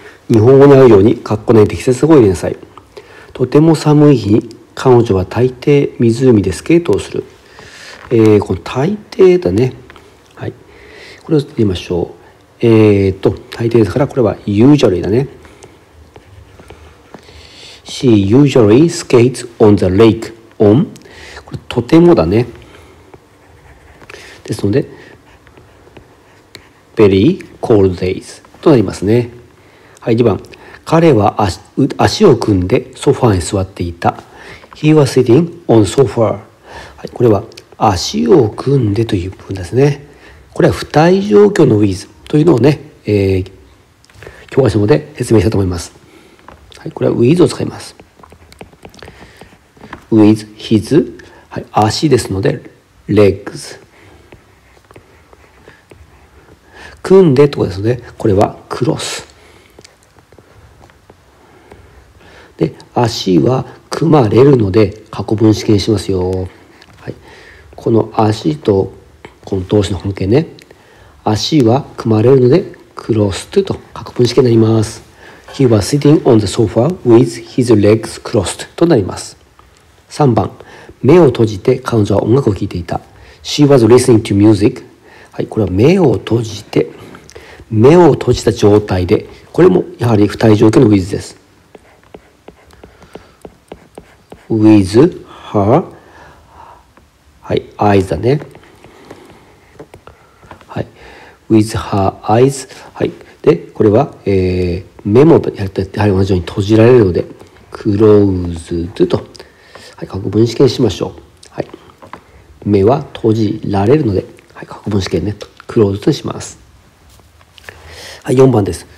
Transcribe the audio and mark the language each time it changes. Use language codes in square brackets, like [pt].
[ja] 日本語に合うようにカッコ内で季節語を入れなさい。とても寒い日に彼女は大抵湖でスケートをする。この大抵だね。はい、これを入れましょう。大抵ですから、これは usually だね。 [en] She usually skates on the lake on、 [ja] これとてもだね。ですので、 [en] very cold days [ja] となりますね。はい、2番。彼は 足を組んでソファーに座っていた。 [en] He was sitting on the sofa。 [ja] はい、これは足を組んでという部分ですね。これは不対状況の with というのをね、教科書で説明したと思います。はい、これは with を使います。 [en] with his、 [ja] はい、足ですので legs。組んでとかですね。これはクロスで、足は組まれるので過去分詞形しますよ。はい、この足とこの動詞の関係ね。足は組まれるのでクロスと過去分詞形になります。 [en] He was sitting on the sofa with his legs crossed [ja] となります。 3番。目を閉じて彼女は音楽を聴いていた。 [en] She was listening to music。 [ja] はい、これは目を閉じて、目を閉じた状態で、これもやはり不対状況の with です。 [en] with her、 はい、eyes だね。 [ja] はい、 [en] with her eyes、 [ja] はい、でこれは、目もやはり同じように閉じられるので closed と、はい、過去分詞形しましょう。はい、目は閉じられるので、はい、過去分詞形ね、 closed とします。はい、4番です。